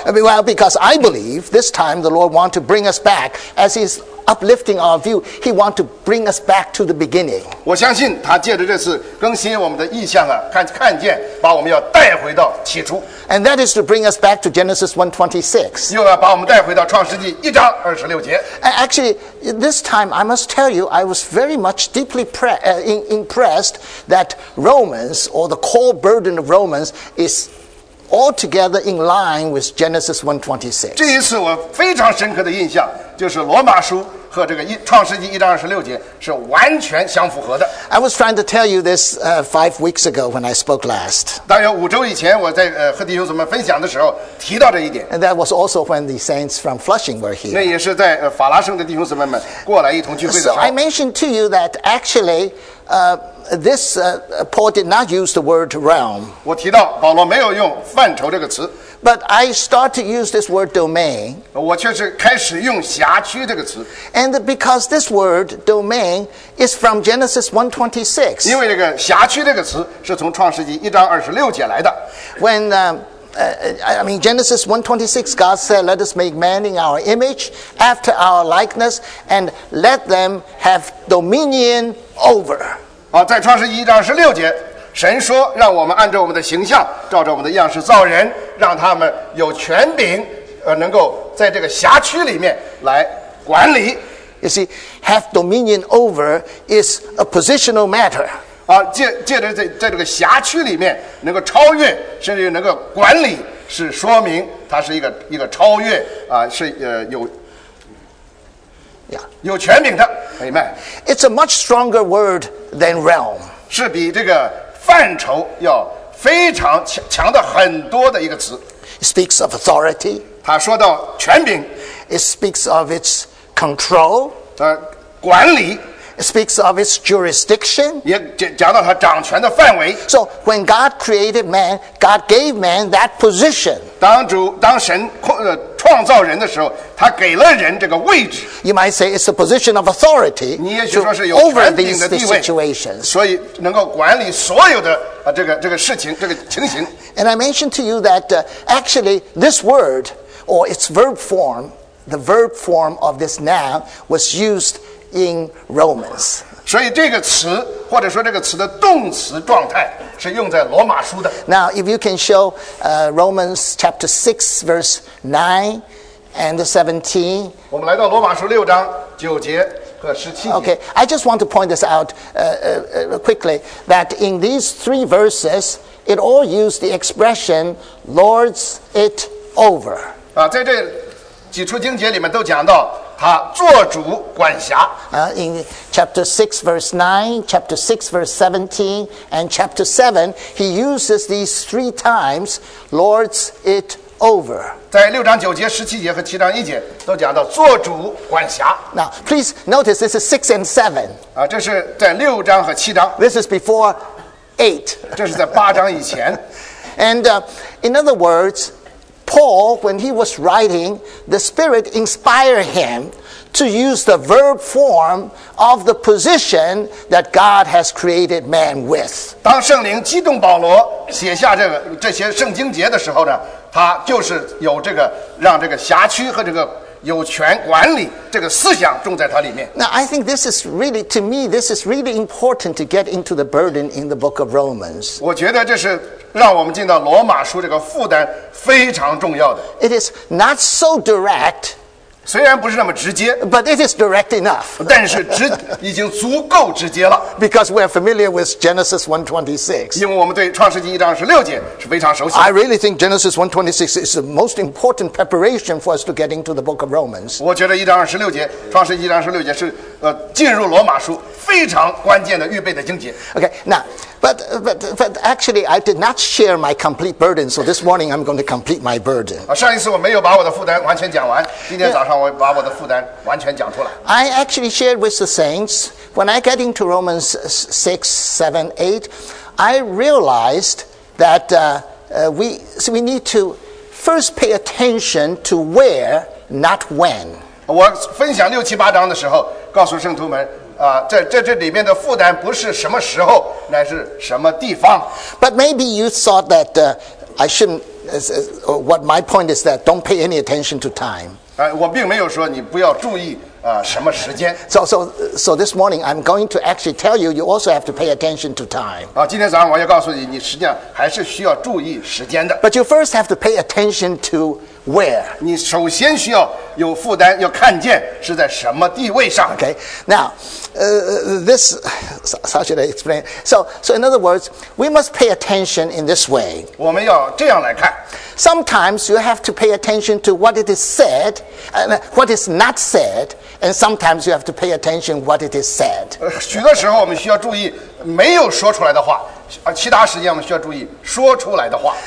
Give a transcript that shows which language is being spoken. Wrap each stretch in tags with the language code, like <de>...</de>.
<en>Well, because I believe this time the Lord wants to bring us back, as He's uplifting our view, He wants to bring us back to the beginning.</en> <zh>我相信他借着这次更新我们的意象啊，看见把我们要带回到起初。</zh> <en>And that is to bring us back to Genesis 1:26.</en> <zh>又要把我们带回到创世纪1章26节。</zh> <en>Actually, this time I must tell you, I was very much deeply impressed that Romans, or the core burden of Romans, is altogether in line with Genesis 1:26.</en> <zh>这一次我非常深刻的印象，就是罗马书和这个创世纪1章26节是完全相符合的。</zh> <en>I was trying to tell you this 5 weeks ago when I spoke last.</en> <zh>大约5周以前，我在和弟兄姊妹分享的时候提到这一点。</zh> <en>And that was also when the saints from Flushing were here.</en> <zh>那也是在法拉盛的弟兄姊妹们过来一同聚会的时候。</zh> <en>So I mentioned to you that actually, this Paul did not use the word realm.</en> <zh>我提到保罗没有用范畴这个词。</zh> <en>But I start to use this word domain.</en> <zh>我却是开始用辖区这个词。</zh> <en>And because this word domain is from Genesis 1:26.</en> <zh>因为这个辖区这个词是从创世纪一章二十六节来的。</zh> <en>When Genesis 1:26, God said, "Let us make man in our image, after our likeness, and let them have dominion over."</en> <zh>在创世记一章十六节，神说，让我们按照我们的形象，照着我们的样式造人，让他们有权柄，能够在这个辖区里面来管理。</zh> <en>You see, have dominion over is a positional matter.</en> <zh>借着 在这个辖区里面能够超越甚至能够管理是说明它是一个超越是有权柄的 Amen.</zh> <en>It's a much stronger word than realm</en> <zh>是比这个范畴要非常 强的很多的一个词</zh> <en>It speaks of authority</en> <zh>它说到权柄</zh> <en>It speaks of its control</en> <zh>管理</zh> <en>It speaks of its jurisdiction.</en> <zh>也讲到他掌权的范围。</zh> <en>So when God created man, God gave man that position.</en> <zh>当神创造人的时候，他给了人这个位置。</zh> <en>You might say it's a position of authority.</en> <zh>你也许说是有权柄的地位。所以能够管理所有的这个事情这个情形。</zh> <en>And I mentioned to you that actually this word or its verb form, the verb form of this noun was used. In Romans,</en> <zh>所以这个词或者说这个词的动词状态是用在罗马书的。</zh> <en>Now, if you can show Romans chapter 6 verse 9 and 17,</en> <zh>我们来到罗马书六章九节和十七节。</zh> <en>Okay, I just want to point this out quickly that in these three verses, it all use the expression "lords it over."</en> <zh>在这几处经节里面都讲到。他做主管辖。</zh> <en>In chapter 6 verse 9, chapter 6 verse 17, and chapter 7, he uses these three times, lords it over.</en> <zh>在六章九节、十七节和七章一节都讲到做主管辖。</zh> <en>Now, please notice this is 6 and 7.</en> <zh>这是在六章和七章。</zh> <en>This is before 8.</en> <zh>这是在八章以前。</zh> <en>And in other words,Paul, when he was writing, the Spirit inspired him to use the verb form of the position that God has created man with.</en> <zh>当圣灵激动保罗写下这些圣经节的时候呢，他就是有这个让这个辖区和这个有权管理这个思想种在他里面。</zh> <en>Now, I think this is really, to me, this is really important to get into the burden in the book of Romans.</en> <zh>我觉得这是让我们进到罗马书这个负担非常重要的。</zh> <en>It is not so direct.</en> <zh>虽然不是那么直接。</zh> <en>But it is direct enough.</en> <zh>但是已经足够直接了。</zh> <en>Because we are familiar with Genesis 1:26.</en> <zh>因为我们对创世纪一章十六节是非常熟悉。</zh> <en>I really think Genesis 1:26 is the most important preparation for us to get into the book of Romans.</en> <zh>我觉得一章十六节，创世纪一章十六节是进入罗马书非常关键的预备的经节。</zh> <en>Okay, now,But actually, I did not share my complete burden, so this morning I'm going to complete my burden.</en> <zh>上一次我没有把我的负担完全讲完，今天早上我把我的负担完全讲出来。</zh> <en>I actually shared with the saints, when I get into Romans 6, 7, 8, I realized that we need to first pay attention to where, not when.</en> <zh>我分享六七八章的时候，告诉圣徒们，这里面的负担不是什么时候，乃是什么地方。</zh> <en>But maybe you thought that I shouldn't. What my point is that don't pay any attention to time.</en> <zh>我并没有说你不要注意什么时间。</zh> <en>So this morning I'm going to actually tell you. You also have to pay attention to time.</en> <zh>今天早上我要告诉你，你实际上还是需要注意时间的。</zh> <en>But you first have to pay attention to where.</en> <zh>你首先需要。有负担要看见是在什么地位上。</zh> <en>Okay, now, this, how should I explain? So in other words, we must pay attention in this way.</en> <zh>我们要这样来看。</zh> <en>Sometimes you have to pay attention to what it is said, and what is not said, and sometimes you have to pay attention what it is said.</en> <zh>许多时候我们需要注意没有说出来的话，其他时间我们需要注意说出来的话。</zh>